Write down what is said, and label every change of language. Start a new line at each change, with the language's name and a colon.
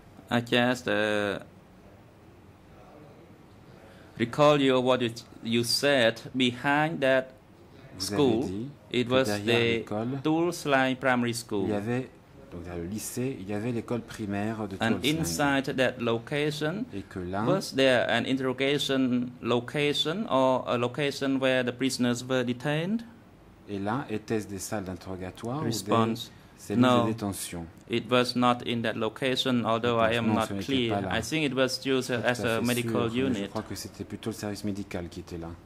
English: I just recall you what you said behind that school. It was the Tulslai Primary School.
French: Il y avait donc derrière le lycée, il y avait l'école primaire de Tulslai.
English: And inside that location,
French: et que là,
English: was there an interrogation location or a location where the prisoners were detained?
French: Et là, était-ce des salles d'interrogatoire
English: response,
French: ou des cellules
English: no,
French: de détention?
English: It was not in that location, although I am not clear. I think it was used as a medical
French: sûr,
English: unit.
French: Je crois que c'était plutôt le service médical qui était là.